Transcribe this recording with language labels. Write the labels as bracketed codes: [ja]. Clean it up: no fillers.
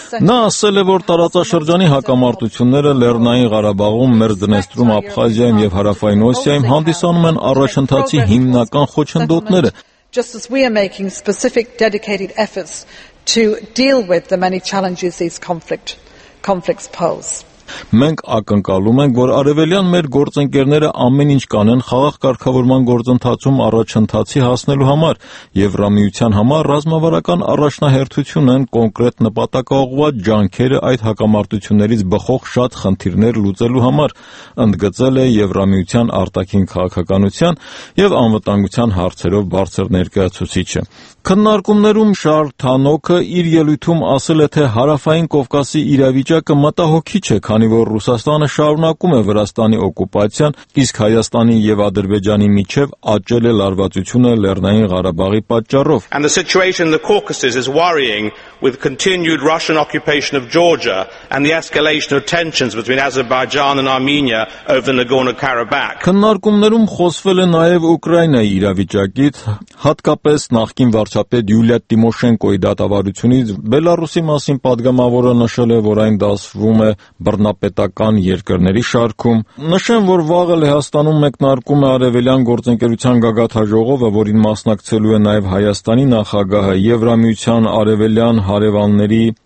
[hy] Նա ասել է, որ տարածաշրջանի հակամարտությունները Լեռնային Ղարաբաղում, Մերձդնեստրում, Աբխազիայում և Հարավային Օսիայում հանդիսանում են առաջընթացի հիմնական խոչընդոտները։ [en] Just as we are making specific dedicated efforts to deal with the many challenges these conflicts pose. [hy] Մենք ակնկալում ենք, որ արևելյան մեր գործընկերները ամեն ինչ կանեն խաղաղ կարգավորման գործընթացում առաջընթացի հասնելու համար, և Եվրամիության համար ռազմավարական առաջնահերթություն են կոնկրետ նպատակաուղված ջանքերը այդ հակամարտություններից բխող շատ խնդիրներ լուծելու համար, ընդգծել է Եվրամիության արտաքին քաղաքականության և անվտանգության հարցերով բարձր ներկայացուցիչը։ Քննարկումներում Շարլ Թանոքը իր ելույթում ասել է, թե հարավային Կովկասի իրավիճակը մտահոգիչ է, քանի որ Ռուսաստանը շարունակում է Վրաստանի օկուպացիան, իսկ Հայաստանի և Ադրբեջանի միջև աճել է լարվածությունը Լեռնային Ղարաբաղի պատճառով. [en] And the situation in the Caucasus is worrying with continued Russian occupation of Georgia and the escalation of tensions between Azerbaijan and Armenia over Nagorno-Karabakh. [hy] Քննարկումներում խոսվել է նաև Ուկրաինայի իրավիճակից, հատկապես նախկին վարչապետ Յուլիա Տիմոշենկոյի դատավարությունից Բելարուսի մասին պատգամավորը նշել է, որ այն դասվում է բռնապետական երկրների շարքում։ Նշեմ, որ վաղը Լեհաստանում մեկնարկում է արևելյան գործընկերության գագաթաժողովը, որին մասնակցելու է նաև Հայաստանի նախագահը, Եվրամիության արևելյան հարևանների